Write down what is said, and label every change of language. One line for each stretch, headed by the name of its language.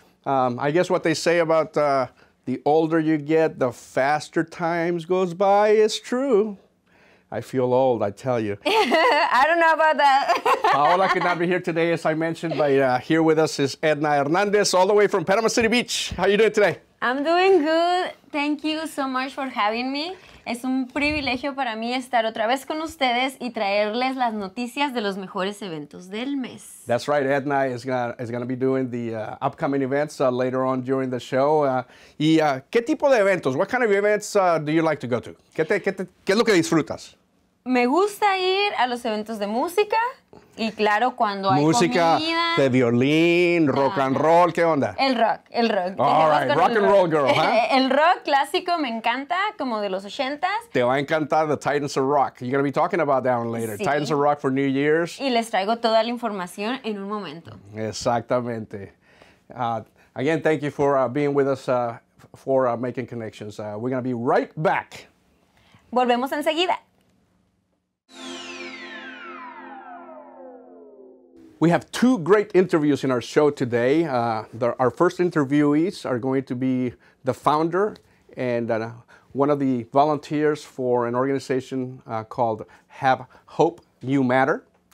English: I guess what they say about the older you get, the faster time goes by is true. I feel old, I tell you. I don't know about that. Paola could not be here today, as I mentioned, but here with us is Edna Hernandez, all the way from Panama City Beach. How are you doing today? I'm doing good. Thank you so much for having me.
Spanish: Es un privilegio para mí estar otra vez con ustedes y traerles las noticias de los mejores eventos del mes.
English: That's right. Edna is gonna be doing the upcoming events later on during the show.
Spanish: ¿Qué tipo de eventos?
English: What kind of events do you like to go to?
Spanish: ¿Qué es lo que disfrutas? Me gusta ir a los eventos de música y claro, cuando hay música, comida, de violín, rock and roll, ¿qué onda? El rock.
English: All right, rock and roll girl, ¿huh?
Spanish: El rock clásico me encanta, como de los 80s. Te va a encantar The Titans of Rock.
English: You're going to be talking about that one later.
Spanish: Sí.
English: Titans of Rock for New Year's.
Spanish: Y les traigo toda la información en un momento. Exactamente.
English: Again, thank you for being with us for Making Connections. We're going to be right back.
Spanish: Volvemos enseguida.
English: We have two great interviews in our show today. Our first interviewees are going to be the founder and one of the volunteers for an organization called Have Hope, You Matter.